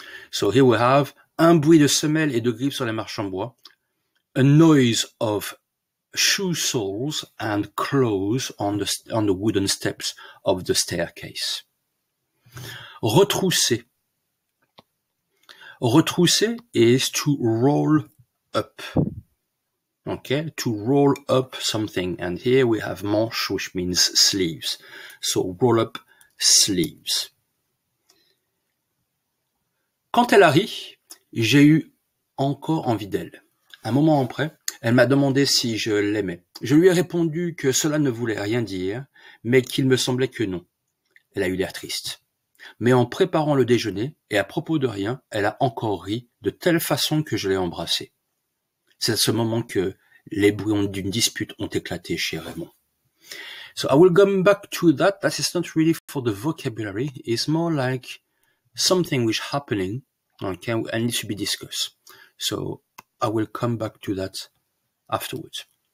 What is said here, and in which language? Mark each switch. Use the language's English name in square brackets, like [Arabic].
[English] So here we have [French] un bruit de semelles et de griffes sur les marches en bois. [English] A noise of shoe soles and claws on the wooden steps of the staircase. Retrousser. Retrousser is to roll up. Okay, to roll up something. And here we have manche, which means sleeves. So roll up sleeves. [French] Quand elle a ri, j'ai eu encore envie d'elle. Un moment après, elle m'a demandé si je l'aimais. Je lui ai répondu que cela ne voulait rien dire, mais qu'il me semblait que non. Elle a eu l'air triste. Mais en préparant le déjeuner, et à propos de rien, elle a encore ri de telle façon que je l'ai embrassée. C'est à ce moment que les bruits d'une dispute ont éclaté chez Raymond. [English] So I will come back to that. That is not really for the vocabulary. It's more like something which happening and needs to be discussed. So I will come back to that afterwards.